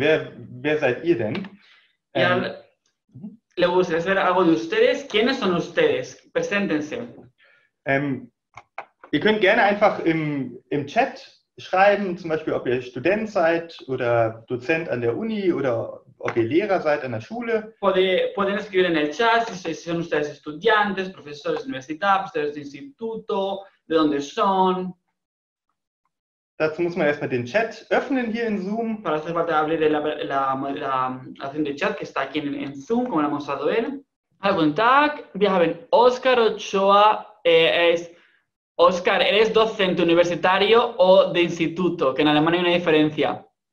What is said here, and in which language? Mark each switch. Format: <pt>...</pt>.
<de>Wer seid ihr denn?</de> <es>Y ahora le gustaría saber algo de ustedes. ¿Quiénes son ustedes? Preséntense.</es> <de>Ihr könnt gerne einfach im Chat schreiben, zum Beispiel, ob ihr Student seid oder Dozent an der Uni oder ob ihr Lehrer seid an der Schule.</de> <es>Pueden escribir en el chat si son ustedes estudiantes, profesores de universidad, profesores de instituto, de dónde son.</es> <de>Dazu muss man erstmal den Chat öffnen hier in Zoom.</de> <es>Para hacer falta abrir la opción de chat que está aquí en Zoom, como lo ha mostrado él.</es> <de>Guten Tag, wir haben Oscar Ochoa.</de> <es>Oscar, ¿eres docente universitario o de instituto? Que en Alemania hay una diferencia.</es>